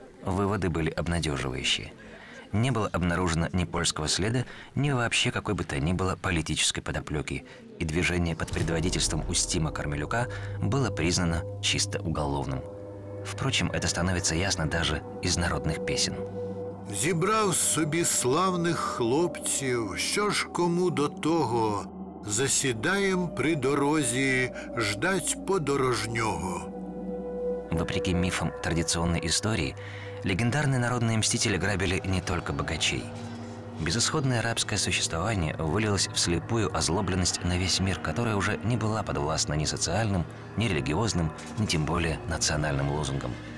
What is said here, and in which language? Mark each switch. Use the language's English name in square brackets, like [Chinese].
[Russian] Выводы были обнадеживающие. Не было обнаружено ни польского следа, ни вообще какой бы то ни было политической подоплеки, и движение под предводительством Устима Кармелюка было признано чисто уголовным. Впрочем, это становится ясно даже из народных песен. [Ukrainian] «Зібрав собі славних хлопців, що ж кому до того? Засідаєм при дорозі, ждать подорожнього». [Russian] Вопреки мифам традиционной истории, легендарные народные мстители грабили не только богачей. Безысходное рабское существование вылилось в слепую озлобленность на весь мир, которая уже не была подвластна ни социальным, ни религиозным, ни тем более национальным лозунгам.